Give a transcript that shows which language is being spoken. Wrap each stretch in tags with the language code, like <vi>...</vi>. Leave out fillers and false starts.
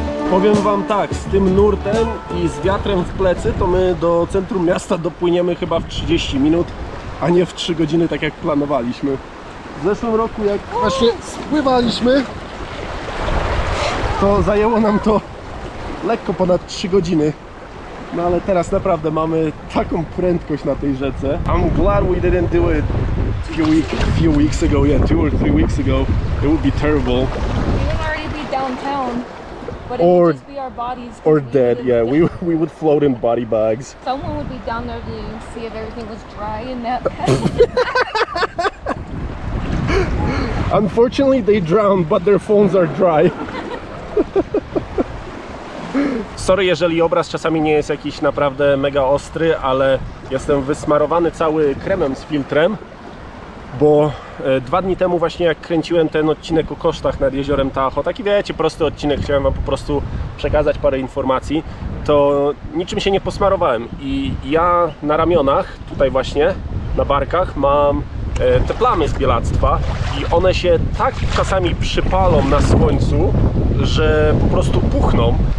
<pl>Powiem wam tak, z tym nurtem i z wiatrem w plecy to my do centrum miasta dopłyniemy chyba w 30 minut, a nie w 3 godziny, tak jak planowaliśmy. W zeszłym roku, jak właśnie spływaliśmy, to zajęło nam to lekko ponad 3 godziny. No ale teraz naprawdę mamy taką prędkość na tej rzece.</pl> <en>I'm glad we didn't do it few weeks ago, yeah, 2 or 3 weeks ago. It would be terrible. We would already be downtown, but it would just be our bodies. Or dead, yeah, we would float in body bags. Someone would be down there to see if everything was dry in that pet. Unfortunately, they drowned, but their phones are dry.</en> <pl>Sorry, jeżeli obraz czasami nie jest jakiś naprawdę mega ostry, ale jestem wysmarowany cały kremem z filtrem, bo 2 dni temu właśnie jak kręciłem ten odcinek o kosztach nad jeziorem Tahoe, taki wiecie, prosty odcinek, chciałem wam po prostu przekazać parę informacji, to niczym się nie posmarowałem i ja na ramionach, tutaj właśnie, na barkach mam te plamy z bielactwa i one się tak czasami przypalą na słońcu, że po prostu puchną.</pl>